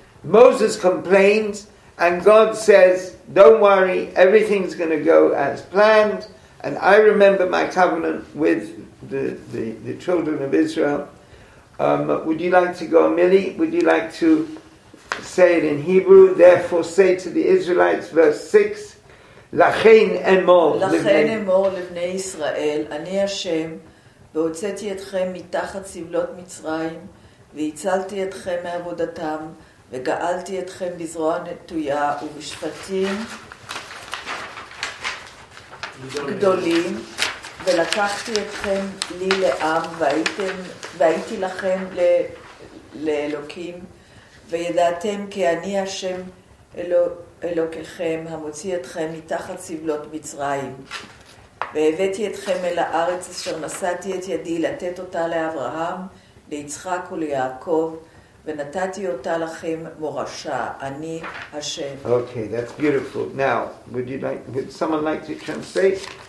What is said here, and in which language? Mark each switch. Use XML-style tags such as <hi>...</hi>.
<en>Moses complains, and God says, don't worry, everything's going to go as planned, and I remember my covenant with the children of Israel. Would you like to go, Millie? Would you like to say it in Hebrew? Therefore say to the Israelites, verse 6,</en> <he>לכן אמור לבני ישראל, אני השם, והוצאתי אתכם מתחת סבלות מצרים, והצלתי אתכם מעבודתם, וגאלתי אתכם בזרוע נטויה ובשפטים גדולים, ולקחתי אתכם לי לעם, והייתי לכם לאלוקים, וידעתם כי אני השם אלוקיכם, המוציא אתכם מתחת סבלות מצרים. והבאתי אתכם אל הארץ אשר נשאתי את ידי לתת אותה לאברהם, ליצחק וליעקב, ונתתי אותה לכם מורשה, אני השם.</he> <en>Okay, that's beautiful. Now, would someone like to translate?</en>